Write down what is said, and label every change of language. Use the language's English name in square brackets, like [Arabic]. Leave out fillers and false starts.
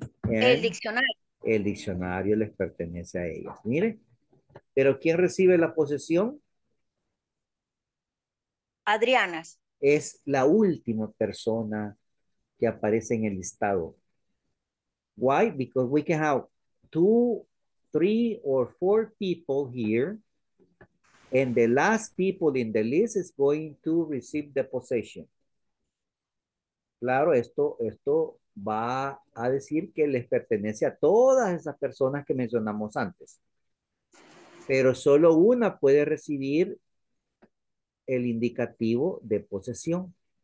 [Spanish] El diccionario. El diccionario les pertenece a ellas. Mire, pero ¿quién recibe la posesión? Adriana. Es la última persona que aparece en el listado. [English] Why? Because we can have two, three, or four people here. And the last people in the list is going to receive the possession. [Spanish] Claro, esto va a decir que les pertenece a todas esas personas que mencionamos antes. Pero solo una puede recibir el indicativo de posesión.